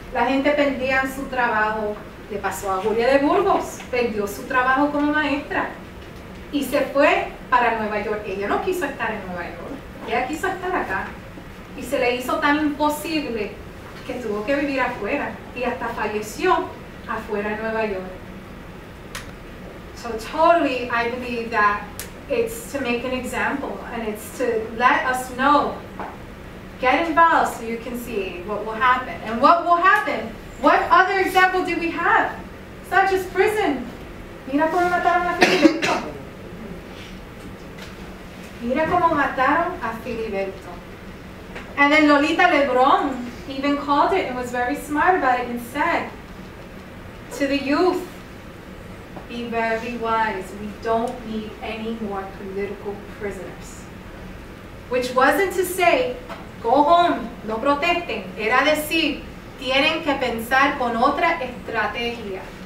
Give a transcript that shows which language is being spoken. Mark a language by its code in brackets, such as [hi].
[es] La gente perdía su trabajo, le pasó a Julia de Burgos, perdió su trabajo como maestra y se fue para Nueva York. Ella no quiso estar en Nueva York, ella quiso estar acá. Y se le hizo tan imposible que tuvo que vivir afuera y hasta falleció afuera en Nueva York. [en] So totally, I believe that it's to make an example and it's to let us know. Get involved so you can see what will happen. And what will happen? What other example do we have? Such as prison. [es] Mira cómo mataron a Filiberto. Mira cómo mataron a Filiberto. [en] And then Lolita Lebron even called it and was very smart about it and said to the youth, be very wise. We don't need any more political prisoners. Which wasn't to say, go home, [es] no protesten. Era decir, tienen que pensar con otra estrategia.